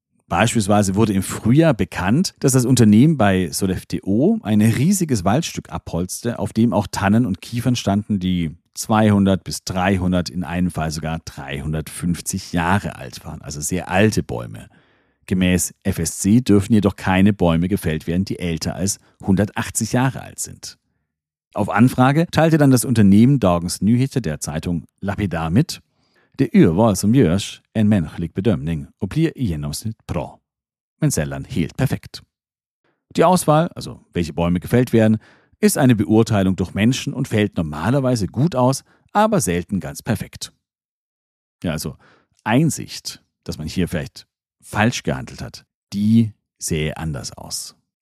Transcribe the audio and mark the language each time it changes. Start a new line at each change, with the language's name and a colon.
German: Beispielsweise wurde im Frühjahr bekannt, dass das Unternehmen bei Sollefteå ein riesiges Waldstück abholzte, auf dem auch Tannen und Kiefern standen, die 200 bis 300, in einem Fall sogar 350 Jahre alt waren, also sehr alte Bäume. Gemäß FSC dürfen jedoch keine Bäume gefällt werden, die älter als 180 Jahre alt sind. Auf Anfrage teilte dann das Unternehmen Dagens Nyheter der Zeitung Lapidar mit:
Swedish: Det urval som görs är en mänsklig bedömning och blir i genomsnitt bra, men sällan helt perfekt.
German: Die Auswahl, also welche Bäume gefällt werden, ist eine Beurteilung durch Menschen und fällt normalerweise gut aus, aber selten ganz perfekt. Ja, also Einsicht, dass man hier vielleicht falsch gehandelt hat, die sähe anders aus.